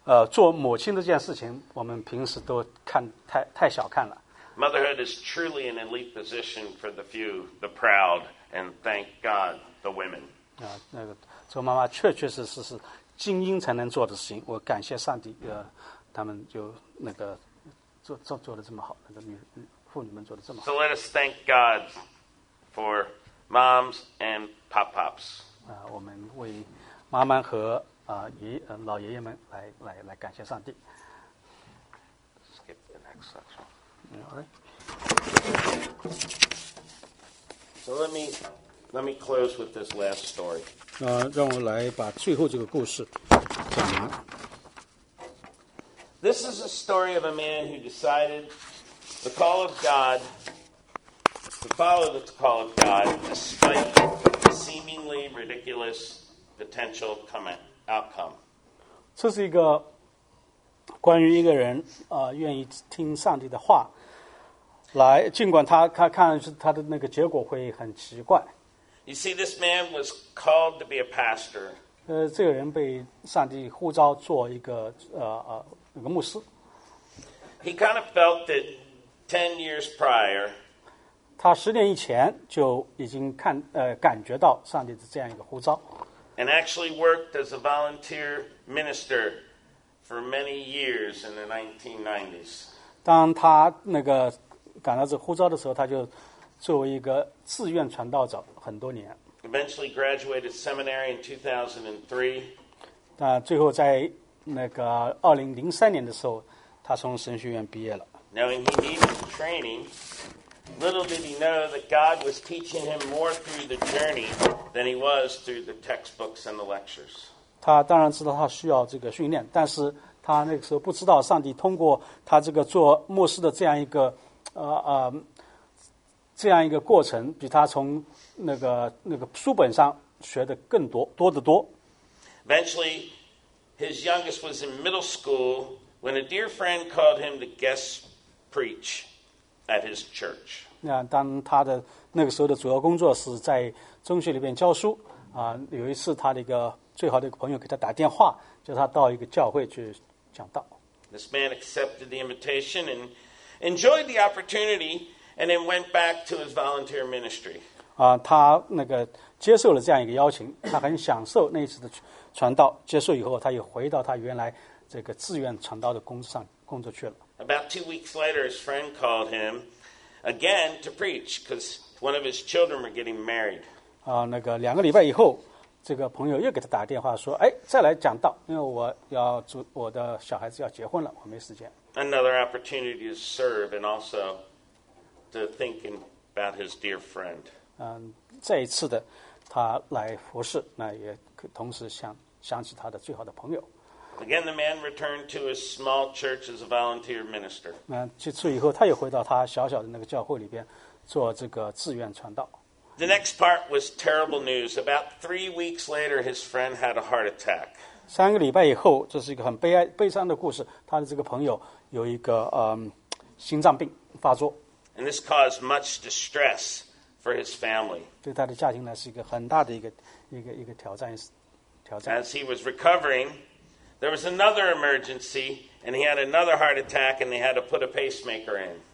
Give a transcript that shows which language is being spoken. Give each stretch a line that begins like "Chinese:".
Chinese: 做母亲这件事情，我们平时都看太小看了。
English: Motherhood is truly an elite position for the few, the proud, and thank God the women.
Chinese: 做妈妈确实是精英才能做的事情，我感谢上帝，他们就那个做的这么好，那个妇女们做的这么好。
English: So let us thank God for moms and pop-pops.
Chinese: 我们为妈妈和老爷爷们来感谢上帝。
English: Skip the next section. All right. So let me close with this last story.
Chinese: 让我来把最后这个故事讲完。
English: This is a story of a man who decided the call of God, to follow the call of God despite the seemingly ridiculous potential outcome.
Chinese: 这是一个关于一个人愿意听上帝的话，来尽管他看他的那个结果会很奇怪。
English: You see, this man was called to be a pastor.
Chinese: 这个人被上帝呼召做一个那个牧师。
English: He kind of felt that 10 years prior.
Chinese: 他十年以前就已经感觉到上帝的这样一个呼召。
English: And actually worked as a volunteer minister for many years in the 1990s.
Chinese: 当他那个感到这呼召的时候，他就。作为一个自愿传道者很多年。
English: Eventually graduated seminary in 2003.
Chinese: 最后在那个2003年的时候，他从神学院毕业了。
English: Knowing he needed training, little did he know that God was teaching him more through the journey than he was through the textbooks and the lectures.
Chinese: 他当然知道他需要这个训练，但是他那个时候不知道上帝通过他这个做牧师的这样一个这样一个过程比他从那个书本上学的更多多得多。
English: Eventually his youngest was in middle school when a dear friend called him to guest preach at his church.
Chinese: 那当他的那个时候的主要工作是在中学里面教书啊，有一次他的一个最好的一个朋友给他打电话，叫他到一个教会去讲道。
English: This man accepted the invitation and enjoyed the opportunity and then went back to his volunteer ministry.
Chinese: 啊，他那个接受了这样一个邀请，他很享受那一次的传道，接受以后他又回到他原来这个志愿传道的工作上工作去了。
English: About 2 weeks later his friend called him again to preach because one of his children were getting married.
Chinese: 啊，那个两个礼拜以后这个朋友又给他打电话说，哎，再来讲道，因为我的小孩子要结婚了，我没时间。
English: Another opportunity to serve and also to think about his dear friend.
Chinese: 再一次的他来服侍，那也同时想起他的最好的朋友。
English: Again the man returned to his small church as a volunteer minister.
Chinese: 去处以后他又回到他小小的那个教会里边做这个志愿传道。
English: The next part was terrible news. About 3 weeks later, his friend had a heart attack.
Chinese: 三个礼拜以后，这是一个很悲伤的故事。他的这个朋友有一个心脏病发作。
English: And this caused much distress for his family.
Chinese: 对他的家庭呢，是一个很大的一个挑战。
English: As he was recovering, there was another emergency, and he had another heart attack, and they had to put a pacemaker in.